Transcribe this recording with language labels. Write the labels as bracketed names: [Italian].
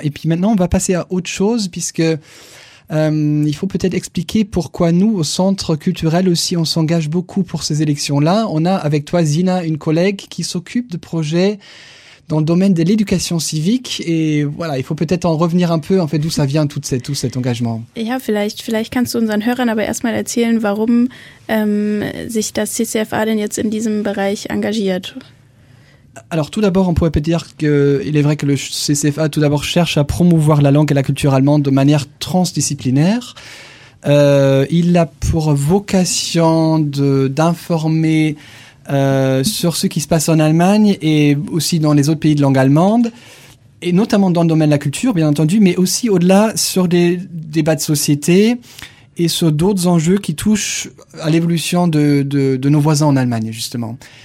[French] Et puis maintenant, on va passer à autre chose, puisque il faut peut-être expliquer pourquoi nous, au Centre culturel aussi, on s'engage beaucoup pour ces élections-là. On a avec toi, Zina, une collègue qui s'occupe de projets dans le domaine de l'éducation civique. Et voilà, il faut peut-être en revenir un peu, en fait, d'où ça vient, tout cet engagement. [German] Ja, vielleicht kannst du unseren Hörern aber erstmal erzählen, warum sich das CCFA denn jetzt in diesem Bereich engagiert. [French] Alors tout d'abord, on pourrait peut-être dire qu'il est vrai que le CCFA tout d'abord cherche à promouvoir la langue et la culture allemande de manière transdisciplinaire. Il a pour vocation d'informer sur ce qui se passe en Allemagne et aussi dans les autres pays de langue allemande, et notamment dans le domaine de la culture, bien entendu, mais aussi au-delà sur des débats de société et sur d'autres enjeux qui touchent à l'évolution de nos voisins en Allemagne, justement.